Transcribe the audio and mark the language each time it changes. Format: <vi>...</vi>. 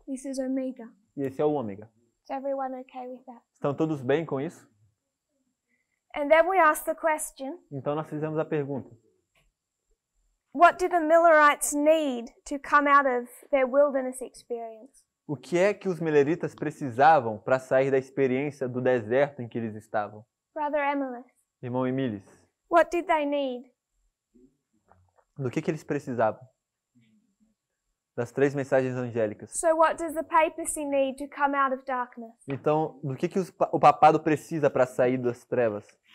<en>This is omega.</en> <pt>E esse é o ômega.</pt> <en>Is everyone okay with that?</en> <pt>Estão todos bem com isso?</pt> <en>And then we ask the question.</en> <pt>Então nós fizemos a pergunta.</pt> <en>What did the Millerites need to come out of their wilderness experience?</en> <pt>O que é que os mileritas precisavam para sair da experiência do deserto em que eles estavam?</pt> <en>Brother Emily.</en> <pt>Irmão Emílis.</pt> <en>What did they need?</en> <pt>Do que eles precisavam? Das três mensagens angélicas.</pt> <en>So what does the papacy need to come out of darkness?</en> <pt>Então, do que o papado precisa para sair das trevas?</pt>